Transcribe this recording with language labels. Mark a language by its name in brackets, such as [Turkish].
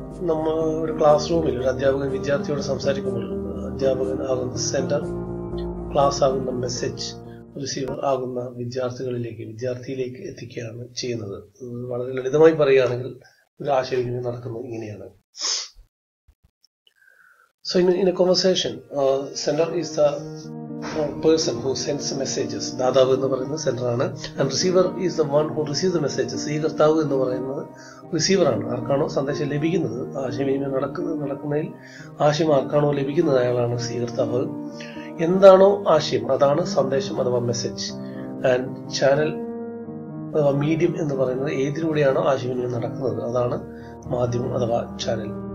[Malayalam] നമ്മ ഒരു ക്ലാസ് റൂമിൽ ഒരു അധ്യാപകൻ വിദ്യാർത്ഥിയോട് സംസാരിക്കുമ്പോൾ അധ്യാപകൻ ആകുന്ന സെൻഡർ, ക്ലാസ് ആകുന്ന മെസ്സേജ്, റിസീവർ ആകുന്ന വിദ്യാർത്ഥികളിലേക്ക്, വിദ്യാർത്ഥിയിലേക്ക് എത്തിക്കുകയാണ് ചെയ്യുന്നത്. വളരെ ലളിതമായി പറയുകയാണെങ്കിൽ ഒരു ആശയവിനിമയം നടക്കുന്നത് ഇങ്ങനെയാണ്. [English] So in a conversation, sender is the person who sends messages. [Malayalam] ദാതാവ് എന്ന് പറയുന്നത് സെൻഡറാണ്. [English] And receiver is the one who receive the messages. [Malayalam] സ്വീകർത്താവ് എന്ന് പറയുന്നത് റിസീവറാണ്, ആർക്കാണോ സന്ദേശം ലഭിക്കുന്നത്, ആശയവിനിമയം നടക്കുന്നതിൽ ആശയം ആർക്കാണോ ലഭിക്കുന്നത് അയാളാണ് സ്വീകർത്താവ്. എന്താണോ ആശയം അതാണ് സന്ദേശം അഥവാ മെസ്സേജ്. ആൻഡ് ചാനൽ അഥവാ മീഡിയം എന്ന് പറയുന്നത് ഏതിലൂടെയാണോ ആശയവിനിമയം നടക്കുന്നത് അതാണ് മാധ്യമം അഥവാ ചാനൽ.